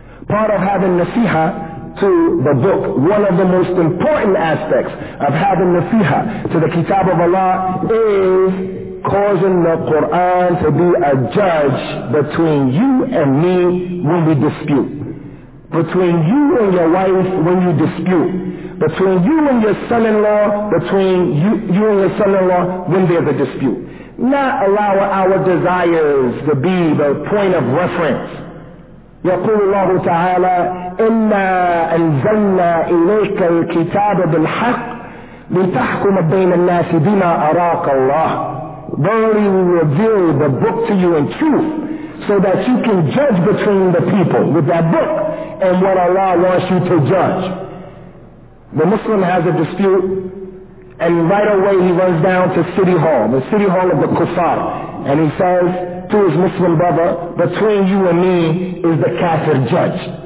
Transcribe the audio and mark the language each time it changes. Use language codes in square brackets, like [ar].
[en] Part of having nasiha to the book, one of the most important aspects of having nasiha to the kitab of Allah is causing the Quran to be a judge between you and me when we dispute. Between you and your wife when you dispute. Between you and your son-in-law, between you and your son-in-law when there's a dispute. Not allow our desires to be the point of reference. [ar] يقول الله تعالى إنا أنزلنا إليك الكتاب بالحق لتحكم بين الناس بما أراك الله. [en] Verily we reveal the book to you in truth so that you can judge between the people with that book and what Allah wants you to judge. The Muslim has a dispute and right away he runs down to City Hall, the City Hall of the Kufar, and he says to his Muslim brother, between you and me is the kafir judge.